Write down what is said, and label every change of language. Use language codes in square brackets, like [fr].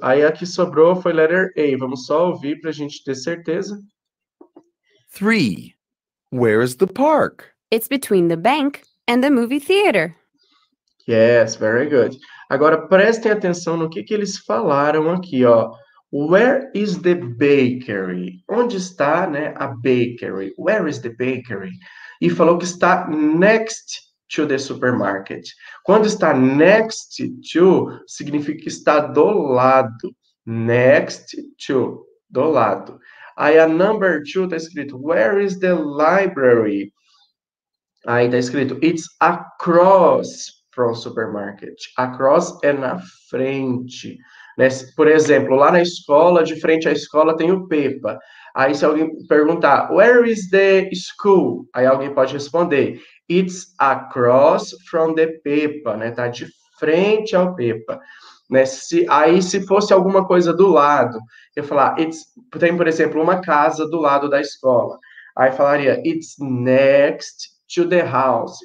[pt] Aí a que sobrou foi letter A. Vamos só ouvir para a gente ter certeza. [en] Three. Where is the park? It's between the bank and the movie theater. Yes, very good. [pt] Agora, prestem atenção no que eles falaram aqui, ó. Where is the bakery? Onde está, né, a bakery? [en] Where is the bakery? E falou que está next to the supermarket. [pt] Quando está next to, significa que está do lado. [en] Next to, do lado. Aí a number two está escrito, where is the library? Aí está escrito, it's across from supermarket. [pt] Across é na frente. Por exemplo, lá na escola, de frente à escola, tem o Pepa. Aí, se alguém perguntar, where is the school? Aí, alguém pode responder, it's across from the Pepa, né? Tá de frente ao Pepa. Aí, se fosse alguma coisa do lado, eu falar, it's, tem, por exemplo, uma casa do lado da escola. [en] Aí, falaria, it's next to the house.